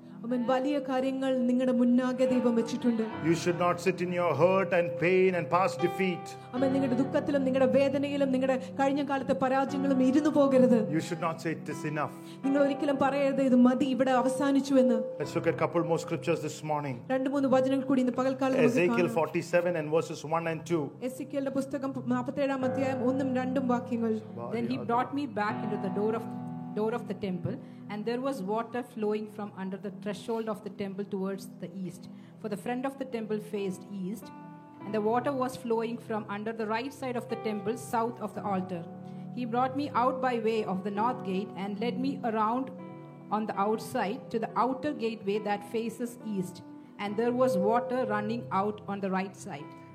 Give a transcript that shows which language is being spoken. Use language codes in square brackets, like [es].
[ml] അമ്മ, വലിയ കാര്യങ്ങൾ നിങ്ങളുടെ മുന്നാകെ ദൈവം വെച്ചിട്ടുണ്ട്. [en] You should not sit in your hurt and pain and past defeat. [ml] അമ്മ, നിങ്ങളുടെ ദുഃഖത്തിലും നിങ്ങളുടെ വേദനയിലും നിങ്ങളുടെ കഴിഞ്ഞ കാലത്തെ പരാജയങ്ങളും ഇരുന്നു പോകരുത്. [en] You should not say it is enough. [ml] നിങ്ങൾ ഒരിക്കലും പറയരുത് ഇത് മതി, ഇവിടെ അവസാനിച്ചു എന്ന്. [en] Let's look at a couple more scriptures this morning. [ml] രണ്ട് മൂന്ന് വചനങ്ങൾ കൂടി ഇന്ന് പകൽക്കാലം നമുക്ക് കാണാം. [en] Ezekiel 47 and verses 1 and 2. [ml] എസ്കേലിന്റെ പുസ്തകം 47 ആം അധ്യായം 1ഉം 2ഉം വാക്യങ്ങൾ. [en] Then he brought me back into the door of the temple, and there was water flowing from under the threshold of the temple towards the east, for the front of the temple faced east, and the water was flowing from under the right side of the temple south of the altar. He brought me out by way of the north gate and led me around on the outside to the outer gateway that faces east, and there was water running out on the right side.